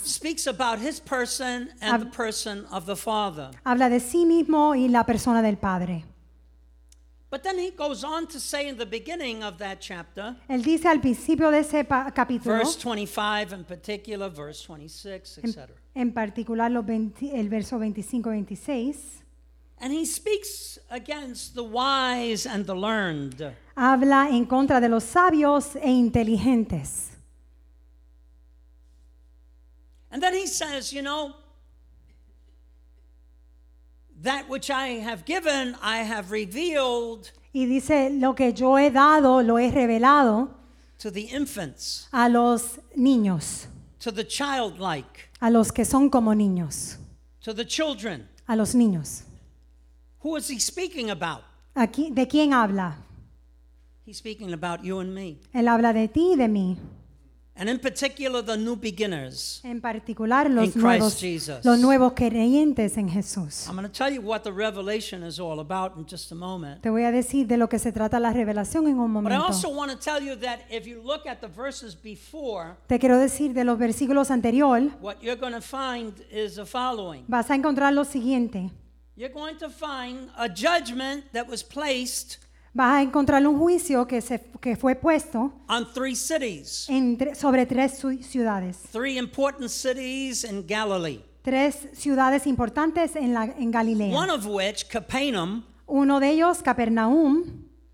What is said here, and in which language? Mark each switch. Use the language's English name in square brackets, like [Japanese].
[English] Speaks about his person and the person of the Father. [Spanish] Habla de sí mismo y la persona del Padre. [English] But then he goes on to say in the beginning of that chapter. [Spanish] Él dice al principio de ese capítulo. [English] Verse 25 in particular, verse 26, etc. [Spanish] En particular el verso 25-26. [English] And he speaks against the wise and the learned. [Spanish] Habla en contra de los sabios e inteligentes. [English] And then he says, you know, that which I have given, I have revealed. [Spanish] Y dice, lo que yo he dado, lo he revelado. [English] To the infants. [Spanish] A los niños. [English] To the childlike. [Spanish] A los que son como niños. [English] To the children. [Spanish] A los niños. [English] Who is he speaking about? [Spanish] ¿De quién habla? [English] He's speaking about you and me. [Spanish] Él habla de ti y de mí. [English] And in particular, the new beginners. [Spanish] En particular, los [English] in Christ Jesus. [Spanish] Los nuevos creyentes en Jesús. [English] I'm going to tell you what the revelation is all about in just a moment. [Spanish] Te voy a decir de lo que se trata la revelación en un momento. [English] But I also want to tell you that if you look at the verses before. [Spanish] Te quiero decir de los versículos anterior. [English] What you're going to find is the following. [Spanish] Vas a encontrar lo siguiente. [English] You're going to find a judgment that was placed. [Spanish] Vas a encontrar un juicio que fue puesto [English] on three cities, [Spanish] sobre tres ciudades. [English] Three important cities in Galilee. [Spanish] Tres ciudades importantes en Galilea. [English] One of which, Capernaum. [Spanish] Uno de ellos, Capernaum.